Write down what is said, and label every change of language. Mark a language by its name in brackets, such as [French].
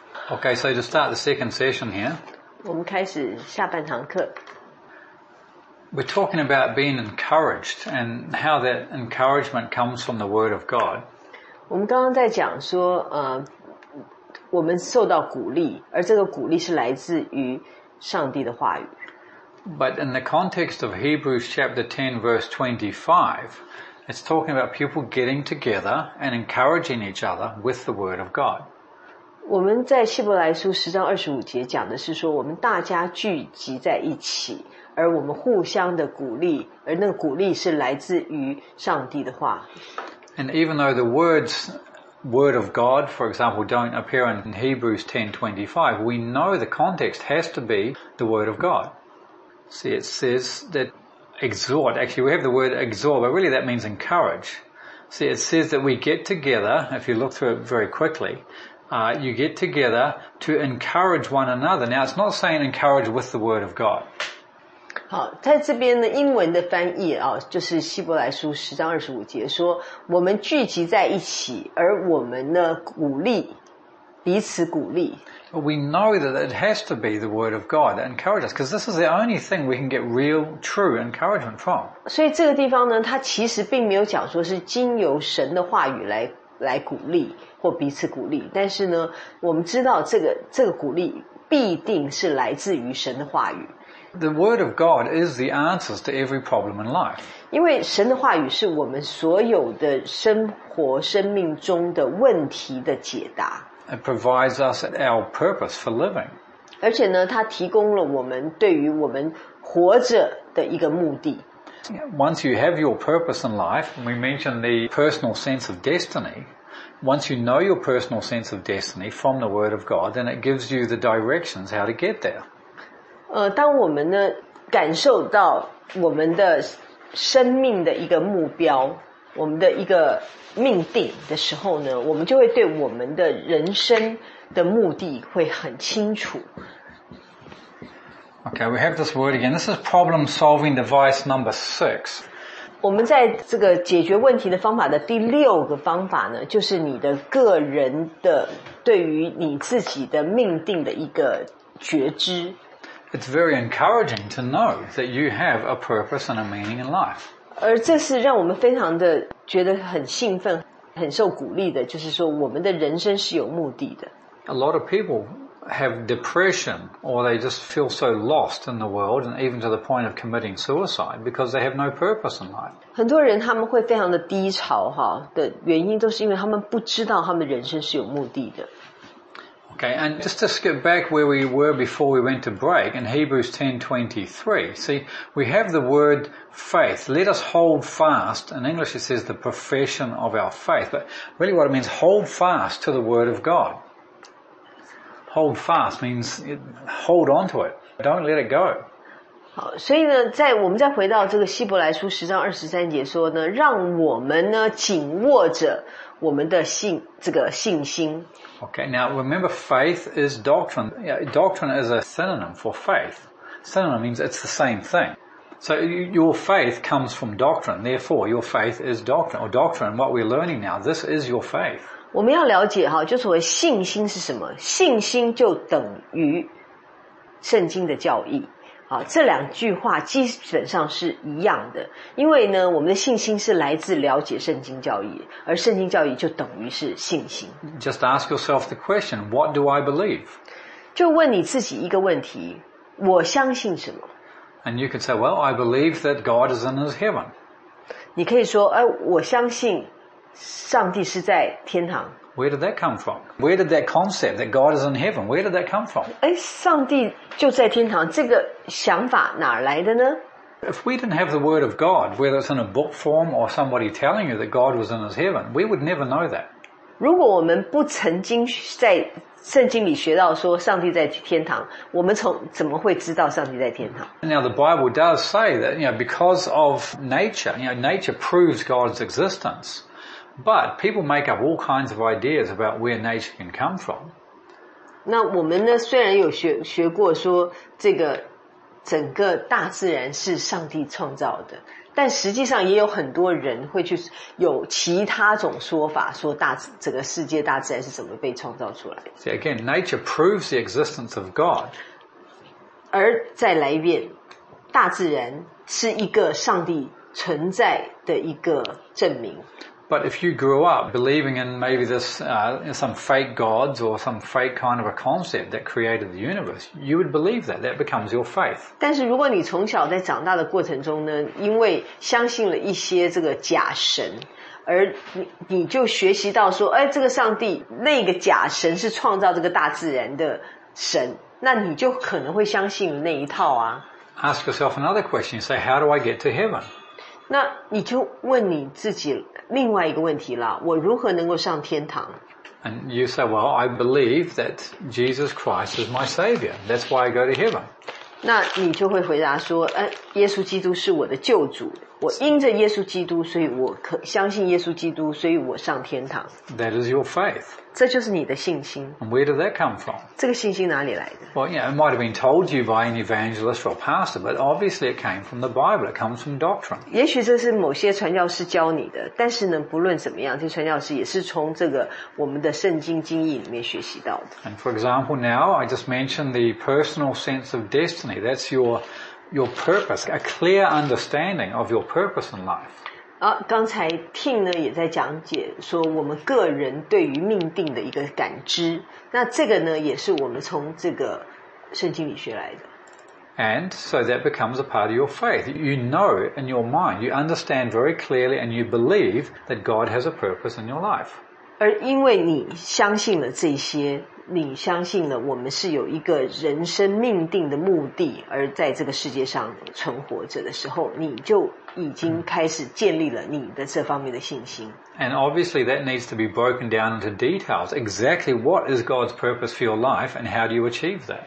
[English] Okay, so to start the second session here. [Chinese] 我们开始下半堂课。 [English] We're talking about being encouraged and how that encouragement comes from the Word of God. [Chinese] 我们刚刚在讲说，我们受到鼓励，而这个鼓励是来自于上帝的话语。 [English] But in the context of Hebrews chapter 10, verse 25, it's talking about people getting together and encouraging each other with the Word of God. [Chinese] 我们在希伯来书十章二十五节讲的是说，我们大家聚集在一起，而我们互相的鼓励，而那个鼓励是来自于上帝的话。 [English] And even though the words "word of God," for example, don't appear in Hebrews 10:25, we know the context has to be the word of God. See, it says that exhort. Actually, we have the word exhort, but really that means encourage. See, it says that we get together. If you look through it very quickly. You get together to encourage one another. Now, it's not saying encourage with the word of God. [Chinese] 好，在这边的英文的翻译啊，就是希伯来书十章二十五节说，我们聚集在一起，而我们呢鼓励彼此鼓励。 [English] But we know that it has to be the word of God that encourages us, because this is the only thing we can get real, true encouragement from. [Chinese] 所以这个地方呢，它其实并没有讲说是经由神的话语来鼓励。或彼此鼓励，但是呢，我们知道这个鼓励必定是来自于神的话语。 [English] The word of God is the answers to every problem in life. [Chinese] 因为神的话语是我们所有的生命中的问题的解答。 [English] It provides us our purpose for living. [Chinese] 而且呢，它提供了我们对于我们活着的一个目的。 [English] Once you have your purpose in life, we mentioned the personal sense of destiny. Once you know your personal sense of destiny from the Word of God, then it gives you the directions how to get there. [Chinese] 当我们呢感受到我们的生命的一个目标，我们的一个命定的时候呢，我们就会对我们的人生的目的会很清楚。 [English] Okay, we have this word again. This is problem-solving device number 6. [Chinese] 我们在这个解决问题的方法的第六个方法呢，就是你的个人的对于你自己的命定的一个觉知。 [English] It's very encouraging to know that you have a purpose and a meaning in life. [Chinese] 而这是让我们非常的觉得很兴奋，很受鼓励的，就是说我们的人生是有目的的。 [English] A lot of people have depression or they just feel so lost in the world and even to the point of committing suicide because they have no purpose in life. [Chinese] 很多人他们会非常的低潮哈的原因都是因为他们不知道他们人生是有目的的。 [English] Okay, and just to skip back where we were before we went to break in Hebrews 10:23, see, we have the word faith. Let us hold fast. In English it says the profession of our faith, but really what it means, hold fast to the word of God. Hold fast means hold on to it. Don't let it go. [Chinese] 好，所以呢，在我们再回到这个希伯来书十章二十三节说呢，让我们呢紧握着我们的信心。 [English] Okay, now remember, faith is doctrine. Doctrine is a synonym for faith. Synonym means it's the same thing. So your faith comes from doctrine. Therefore, your faith is doctrine or doctrine. What we're learning now, this is your faith. [Chinese] 我们要了解哈，就所谓信心是什么？信心就等于圣经的教义啊，这两句话基本上是一样的。因为呢，我们的信心是来自了解圣经教义，而圣经教义就等于是信心。 [English] Just ask yourself the question, what do I believe? [Chinese] 就问你自己一个问题：我相信什么 [English] ？And you could say, well, I believe that God is in His heaven. [Chinese] 你可以说，我相信。上帝是在天堂。 [English] Where did that come from? Where did that concept that God is in heaven? Where did that come from? [Chinese] 上帝就在天堂，这个想法哪来的呢？ [English] If we didn't have the word of God, whether it's in a book form or somebody telling you that God was in his heaven, we would never know that. [Chinese] 如果我们不曾经在圣经里学到说上帝在天堂，我们怎么会知道上帝在天堂？ [English] Now the Bible does say that, you know, because of nature, you know, nature proves God's existence. But people make up all kinds of ideas about where nature can come from. [Chinese] 那我们呢？虽然有学过说这个整个大自然是上帝创造的，但实际上也有很多人会去有其他种说法，说大整个世界大自然是怎么被创造出来的。 [English] See, again, nature proves the existence of God. [Chinese] 而再来一遍，大自然是一个上帝存在的一个证明。 [English] But if you grew up believing in maybe this, some fake gods or some fake kind of a concept that created the universe, you would believe that. That becomes your faith. [Chinese] 但是如果你从小在长大的过程中呢，因为相信了一些这个假神，而 你就学习到说，哎，这个上帝，那个假神是创造这个大自然的神，那你就可能会相信那一套啊。 [English] Ask yourself another question. Say, how do I get to heaven? [Chinese] 那你就问你自己另外一个问题了，我如何能够上天堂？ [English] And you say, well, I believe that Jesus Christ is my Savior. That's why I go to heaven. [Chinese] 那你就会回答说，耶稣基督是我的救主，我因着耶稣基督，所以我可相信耶稣基督，所以我上天堂。 [English] That is your faith. [Chinese] 这就是你的信心。 [English] And where did that come from? [Chinese] 这个信心哪里来的？ [English] Well, yeah, it might have been told you by an evangelist or pastor, but obviously it came from the Bible. It comes from doctrine. [Chinese] 也许这是某些传教士教你的，但是呢，不论怎么样，这传教士也是从这个我们的圣经经义里面学习到的。 [English] And for example, now I just mentioned the personal sense of destiny. That's your purpose, a clear understanding of your purpose in life. [Chinese] 刚才 Tim 呢也在讲解说我们个人对于命定的一个感知，那这个呢也是我们从这个圣经里学来的。 [English] And so that becomes a part of your faith. You know in your mind, you understand very clearly and you believe that God has a purpose in your life. [Chinese] 而因为你相信了这些，你相信了我们是有一个人生命定的目的而在这个世界上存活着的时候，你就已经开始建立了你的这方面的信心。 [English] And obviously that needs to be broken down into details. Exactly what is God's purpose for your life and how do you achieve that?